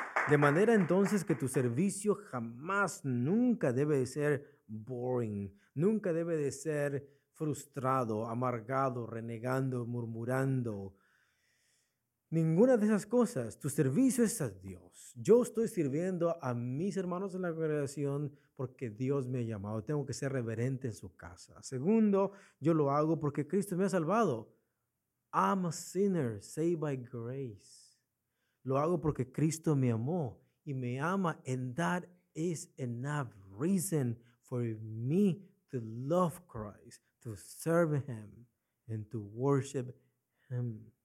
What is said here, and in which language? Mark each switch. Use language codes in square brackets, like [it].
[es] De manera entonces que tu servicio jamás, nunca debe de ser boring, nunca debe de ser frustrado, amargado, renegando, murmurando. Ninguna de esas cosas. Tu servicio es a Dios. Yo estoy sirviendo a mis hermanos en la congregación porque Dios me ha llamado. Tengo que ser reverente en su casa. Segundo, yo lo hago porque Cristo me ha salvado. [en] I'm a sinner saved by grace. [es] Lo hago porque Cristo me amó y me ama. [en] And that is enough reason for me to love Christ, to serve Him, and to worship Him.